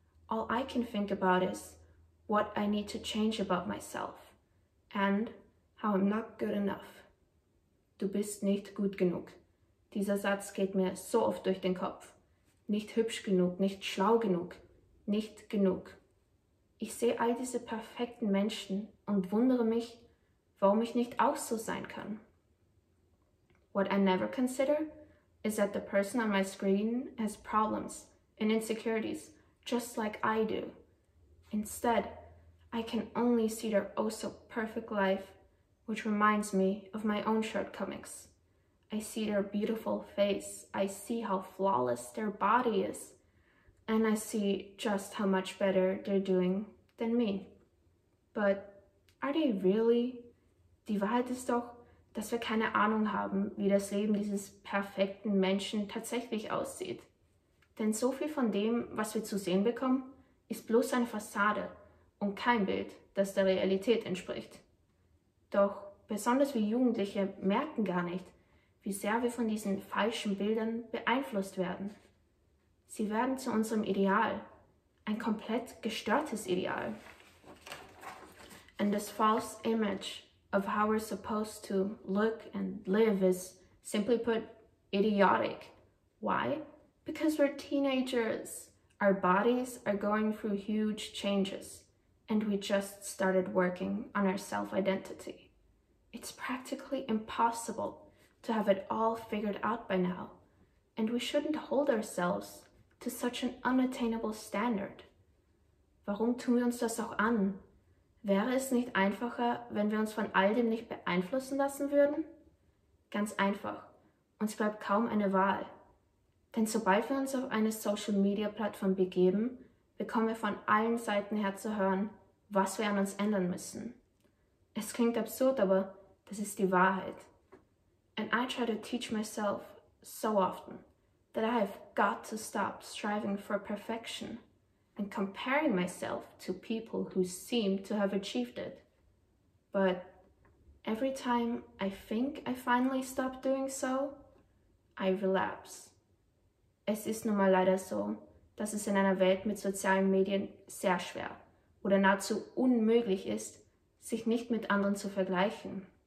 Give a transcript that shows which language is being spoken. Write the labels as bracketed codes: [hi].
[en] All I can think about is what I need to change about myself and how I'm not good enough. [de] Du bist nicht gut genug. Dieser Satz geht mir so oft durch den Kopf. Nicht hübsch genug, nicht schlau genug, nicht genug. Ich sehe all diese perfekten Menschen und wundere mich, warum ich nicht auch so sein kann. [en] What I never consider is that the person on my screen has problems and insecurities just like I do. Instead, I can only see their oh-so-perfect life, which reminds me of my own shortcomings. I see their beautiful face, I see how flawless their body is, and I see just how much better they're doing than me. But are they really? [de] Die Wahrheit ist doch, dass wir keine Ahnung haben, wie das Leben dieses perfekten Menschen tatsächlich aussieht. Denn so viel von dem, was wir zu sehen bekommen, ist bloß eine Fassade und kein Bild, das der Realität entspricht. Doch besonders wir Jugendliche merken gar nicht, wie sehr wir von diesen falschen Bildern beeinflusst werden. Sie werden zu unserem Ideal, ein komplett gestörtes Ideal. [en] And this false image of how we're supposed to look and live is, simply put, idiotic. Why? Because we're teenagers. Our bodies are going through huge changes, and we just started working on our self-identity. It's practically impossible to have it all figured out by now, and we shouldn't hold ourselves to such an unattainable standard. [de] Warum tun wir uns das auch an? Wäre es nicht einfacher, wenn wir uns von all dem nicht beeinflussen lassen würden? Ganz einfach. Uns bleibt kaum eine Wahl. Denn sobald wir uns auf eine Social-Media-Plattform begeben, bekommen wir von allen Seiten her zu hören, was wir an uns ändern müssen. Es klingt absurd, aber das ist die Wahrheit. [en] And I try to teach myself so often that I have got to stop striving for perfection and comparing myself to people who seem to have achieved it. But every time I think I finally stop doing so, I relapse. [de] Es ist nun mal leider so, dass es in einer Welt mit sozialen Medien sehr schwer oder nahezu unmöglich ist, sich nicht mit anderen zu vergleichen.